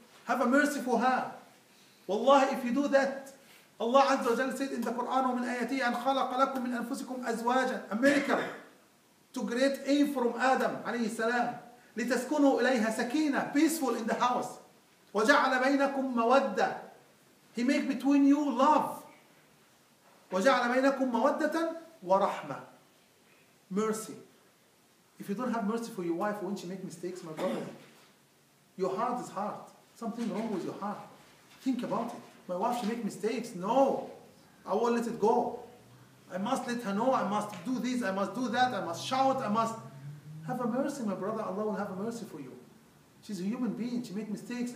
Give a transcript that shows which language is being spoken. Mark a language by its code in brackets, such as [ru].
[en] Have a mercy for her. Wallahi, if you do that, Allah Azza wa Jalla said in the Quran, [ar] وَمِنْ آيَتِهِ أَنْ خَلَقَ لَكُمْ مِنْ أَنفُسِكُمْ أَزْوَاجًا [en] A miracle to create Eve from Adam, [ar] عليه السلام. لِتَسْكُنُوا إِلَيْهَا سَكِينَةً [en] Peaceful in the house. [ar] وَجَعَلَ بَيْنَكُمْ مَوَدَّةً [en] He make between you love. [ar] وَجَعَلَ بَيْنَكُمْ مَوَدَّةً وَرَحْمَةً [en] Mercy. If you don't have mercy for your wife, won't you make mistakes, my brother? Your heart is hard. Something wrong with your heart. Think about it. My wife, she make mistakes. No. I won't let it go. I must let her know. I must do this. I must do that. I must shout. I must have a mercy, my brother. Allah will have a mercy for you. She's a human being. She make mistakes.